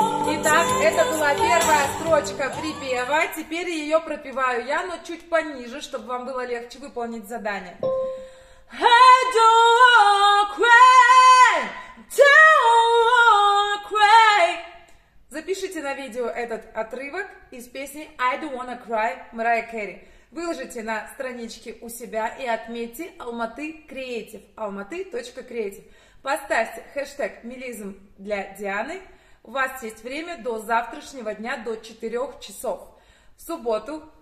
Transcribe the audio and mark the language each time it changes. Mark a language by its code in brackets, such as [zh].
[ru] Итак, это была первая строчка припева. Теперь ее пропеваю я, но чуть пониже, чтобы вам было легче выполнить задание. [en] I don't wanna cry, don't wanna cry. [ru] Запишите на видео этот отрывок из песни [en] «I don't wanna cry» [ru] Мэрайа Кэрри. Выложите на страничке у себя и отметьте «Алматы Креатив», «Алматы.креатив». Поставьте хэштег «Мелизм для Дианы». У вас есть время до завтрашнего дня, до 4 часов. В субботу